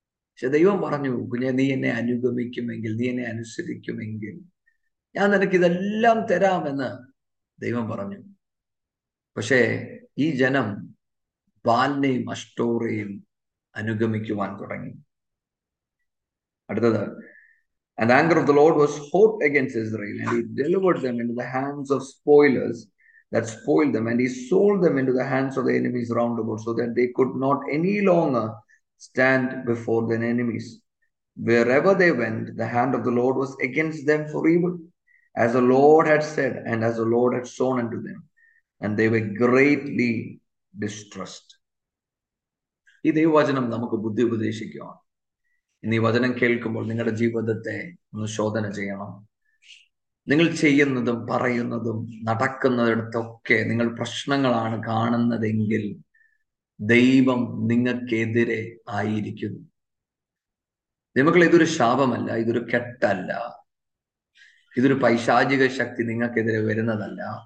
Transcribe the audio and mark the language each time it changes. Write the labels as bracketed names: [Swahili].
[Malayalam] പക്ഷെ ദൈവം പറഞ്ഞു, കുഞ്ഞെ നീ എന്നെ അനുഗമിക്കുമെങ്കിൽ, നീ എന്നെ അനുസരിക്കുമെങ്കിൽ ഞാൻ നിനക്ക് ഇതെല്ലാം തരാമെന്ന് ദൈവം പറഞ്ഞു. പക്ഷേ ഈ ജനം ബാലിനെയും അഷ്ടോറയും അനുഗമിക്കുവാൻ തുടങ്ങി. അടുത്തത് [English] And the anger of the Lord was hot against Israel, and he delivered them into the hands of spoilers that spoiled them, and he sold them into the hands of the enemies round about, so that they could not any longer stand before their enemies. Wherever they went, the hand of the Lord was against them for evil, as the Lord had said, and as the Lord had sworn unto them, and they were greatly distressed. [Malayalam] ഈ ദൈവവചനം നമുക്ക് ബുദ്ധി ഉപദേശിക്കുവാൻ ഇന്ന് ഈ വചനം കേൾക്കുമ്പോൾ നിങ്ങളുടെ ജീവിതത്തെ ഒന്ന് ശോധന ചെയ്യണം. നിങ്ങൾ ചെയ്യുന്നതും പറയുന്നതും നടക്കുന്നതിടത്തൊക്കെ നിങ്ങൾ പ്രശ്നങ്ങളാണ് കാണുന്നതെങ്കിൽ ദൈവം നിങ്ങൾക്കെതിരെ ആയിരിക്കുന്നു. നിങ്ങൾക്ക് ഇതൊരു ശാപമല്ല, ഇതൊരു കെട്ടല്ല, ഇതൊരു പൈശാചിക ശക്തി നിങ്ങൾക്കെതിരെ വരുന്നതല്ല.